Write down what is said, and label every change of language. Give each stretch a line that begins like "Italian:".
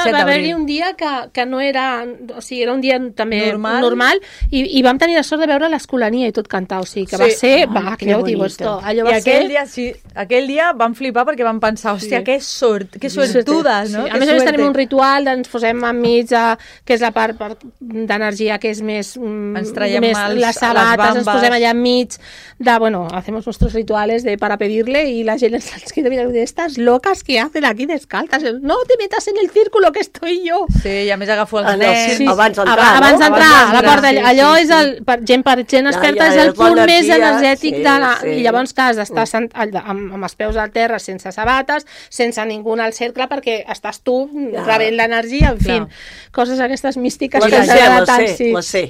Catalan: haver-hi un dia que no era, o sigui, era un dia també normal i vam tenir la sort de veure l'Escolania i tot cantar, o sigui, que va ser, va,
Spanish: que ho digo esto.
Catalan: Allò va ser. I aquell dia, sí, aquell dia vam flipar perquè vam pensar, hòstia, que sort, que sortuda, no? A més, tenim un ritual, ens posem enmig, que és la part de energia que és més... Ens traiem més les sabates, ens posem allà enmig de,
Spanish: bueno, hacemos nuestros rituales de para pedirle y
Catalan: la gent ens queda mirant
Spanish: de estas locas que hacen aquí descalzas. No te metas en el círculo que estoy yo.
Catalan: Sí, i a més agafo el nen. Sí, sí. Abans d'entrar, no? La porta d'allà. Allò sí, sí, és el... Gent experta és el punt més energètic de la... Sí. I llavors, clar, has d'estar amb els peus al terra, sense sabates, sense ningú al cercle, perquè estàs tu rebent l'energia, en fi. Coses aquestes místiques que ens agraden. Sí.